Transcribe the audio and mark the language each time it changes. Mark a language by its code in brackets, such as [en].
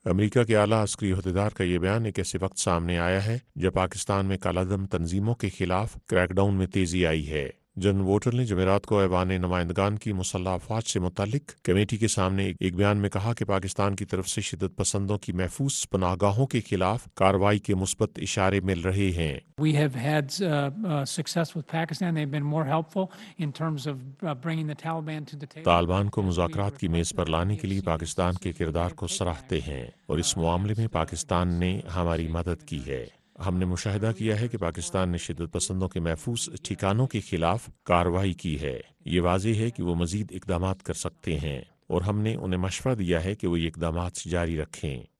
[ur] امریکہ کے اعلی عسکری عہدیدار کا یہ بیان ایک ایسے وقت سامنے آیا ہے جب پاکستان میں کالعدم تنظیموں کے خلاف کریک ڈاؤن میں تیزی آئی ہے. جنرل وارٹن نے جمعرات کو ایوان نمائندگان کی مسلح افواج سے متعلق کمیٹی کے سامنے ایک بیان میں کہا کہ پاکستان کی طرف سے شدت پسندوں کی محفوظ پناہ گاہوں کے خلاف کارروائی کے مثبت اشارے مل رہے ہیں. [en] We have had success with Pakistan. They've been more helpful in terms of bringing the Taliban to the table. [ur] Taliban کو مذاکرات کی میز پر لانے کے لیے پاکستان کے کردار کو سراہتے ہیں اور اس معاملے میں پاکستان نے ہماری مدد کی ہے. ہم نے مشاہدہ کیا ہے کہ پاکستان نے شدت پسندوں کے محفوظ ٹھکانوں کے خلاف کارروائی کی ہے. یہ واضح ہے کہ وہ مزید اقدامات کر سکتے ہیں اور ہم نے انہیں مشورہ دیا ہے کہ وہ یہ اقدامات جاری رکھیں.